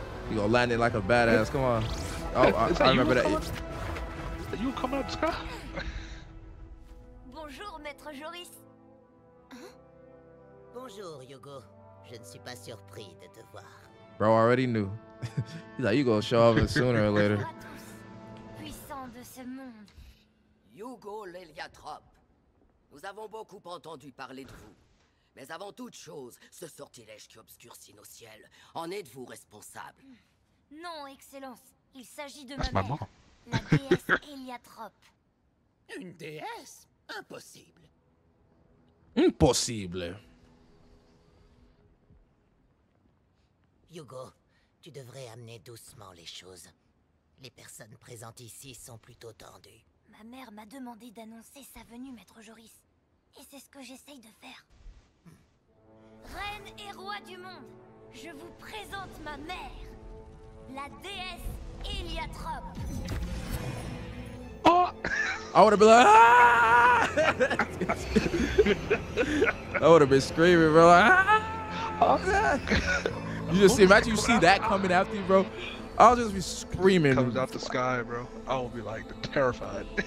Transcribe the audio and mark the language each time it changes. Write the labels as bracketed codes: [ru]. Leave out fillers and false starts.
[en] You gonna land it like a badass, come on. Oh, I remember that. You coming up, Scott? [fr] Bonjour, Maître Joris. Bonjour, Hugo. Je ne suis pas surpris de te voir. [en] Bro, I already knew. He's like, you gonna show up sooner or later. [fr] Puissant de ce monde. Hugo l'Héliatrope. Nous avons beaucoup entendu parler de vous. Mais avant toute chose, ce sortilège qui obscurcit nos ciels, en êtes-vous responsable? Non, Excellence. Il s'agit de ma mère. La déesse Héliatrope. Une déesse? Impossible. Impossible. Hugo, tu devrais amener doucement les choses. Les personnes présentes ici sont plutôt tendues. Ma mère m'a demandé d'annoncer sa venue, Maître Joris. Et c'est ce que j'essaye de faire. Reine et roi du monde, je vous présente ma mère, la déesse Héliatrope. Oh! [en] I would have been like, ah! I would have been screaming, bro. Like, ah! Oh, God! You just see, imagine you see that coming after you, bro. I'll just be screaming. Comes out the sky, bro. I'll be like terrified.